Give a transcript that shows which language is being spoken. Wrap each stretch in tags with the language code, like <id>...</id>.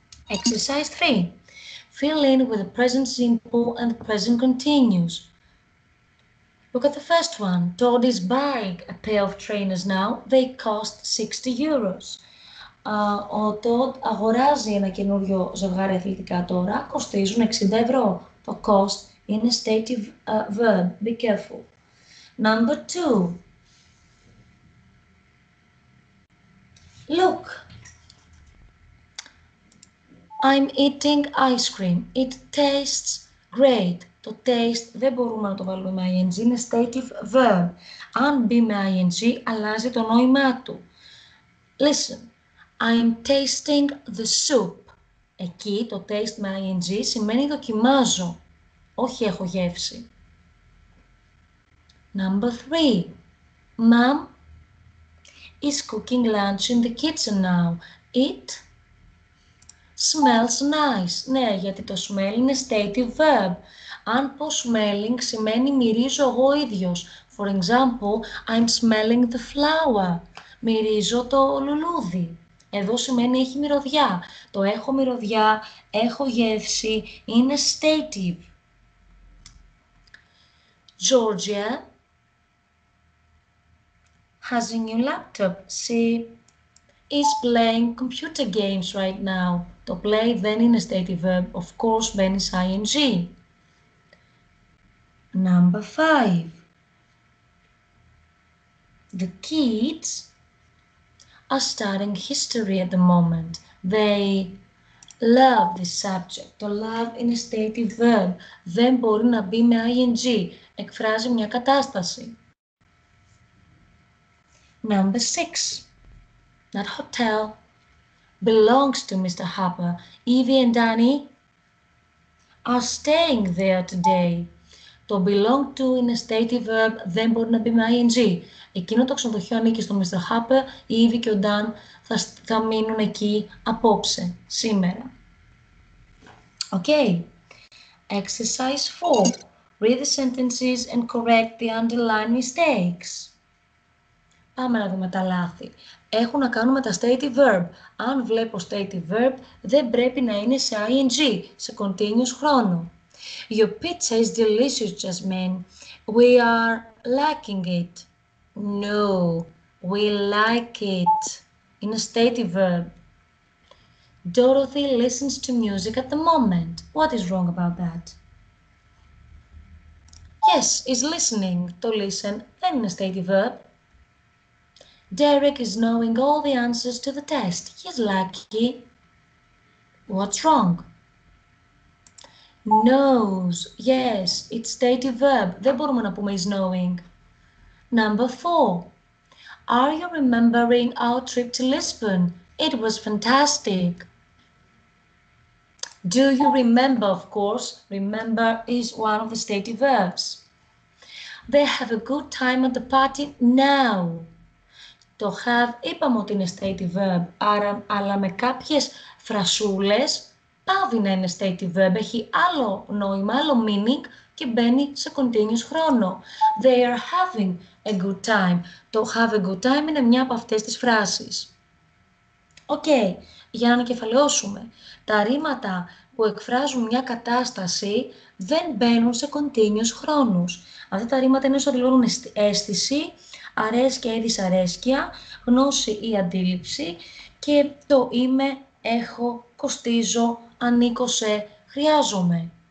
<en>Exercise 3. Fill in with the present simple and the present continuous. Look at the first one. Todd is buying a pair of trainers now. They cost 60 euros.</en> <el>Ο Todd αγοράζει ένα καινούριο ζευγάρι αθλητικά τώρα. Κοστίζουν 60 ευρώ. Το</el> <en>cost in a stative verb. Be careful. Number two. Look. I'm eating ice cream. It tastes great.</en> <el>Το taste δεν μπορούμε να το βάλουμε με ing. Είναι stative verb. Αν μπει με ing, αλλάζει το νόημά του. Listen.</el> <en>I'm tasting the soup.</en> <el>Εκεί το taste με ing σημαίνει δοκιμάζω. Όχι έχω γεύση.</el> <en>Number three. Mom is cooking lunch in the kitchen now. It smells nice.</en> <el>Ναι, γιατί το smell είναι stative verb. Αν πω smelling σημαίνει μυρίζω εγώ ίδιος.</el> <en>For example, I'm smelling the flower.</en> <el>Μυρίζω το λουλούδι. Εδώ σημαίνει έχει μυρωδιά. Το έχω μυρωδιά, έχω γεύση, είναι stative.</el> <en>Georgia has a new laptop. She is playing computer games right now.</en> <el>To play δεν είναι stative verb.</el> <en>Of course,</en> <el>μπαίνει σε ing.</el> <en>Number five. The kids are studying history at the moment. They love this subject. To love</en> <el>είναι</el> <en>stative verb.</en> <el>Δεν μπορεί να μπει με ing. Εκφράζει μια κατάσταση.</el> <en>Number six. That hotel belongs to Mr. Harper. Evie and Danny are staying there today.</en> <el>Το belong to είναι stative verb, δεν μπορεί να μπει με ing. Εκείνο το ξενοδοχείο ανήκει στο Mr. Harper, η Evie και ο Dan θα μείνουν εκεί απόψε, σήμερα.</el> <en>Okay. Exercise 4. Read the sentences and correct the underlined mistakes.</en> <el>Πάμε να δούμε τα λάθη. Έχουν να κάνουν με τα stative verb. Αν βλέπω stative verb, δεν πρέπει να είναι σε ing, σε continuous χρόνο.</el> <en>Your pizza is delicious, Jasmine. We are liking it. No, we like it.</en> <el>Είναι</el> <en>stative verb. Dorothy listens to music at the moment. What is wrong about that? Yes, is listening. To listen δεν είναι stative verb. Derek is knowing all the answers to the test. He's lucky. What's wrong? Knows. Yes, it's dative verb.</en> <el>Δεν μπορούμε να πούμε is knowing.</el> <en>Number four. Are you remembering our trip to Lisbon? It was fantastic. Do you remember, of course? Remember is one of the stative verbs. They have a good time at the party now.</en> <el>Το have είπαμε ότι είναι stative verb, άρα, αλλά με κάποιες φρασούλες πάβει να είναι stative verb. Έχει άλλο νόημα, άλλο meaning και μπαίνει σε continuous χρόνο.</el> <en>They are having a good time.</en> <el>Το have a good time είναι μια από αυτές τις φράσεις. Okay, για να ανακεφαλαιώσουμε. Τα ρήματα που εκφράζουν μια κατάσταση δεν μπαίνουν σε continuous χρόνους. Αυτά τα ρήματα είναι ισορροπούν αίσθηση, αρέσκεια ή δυσαρέσκεια, γνώση ή αντίληψη και το είμαι, έχω, κοστίζω, ανήκω σε, χρειάζομαι.</el>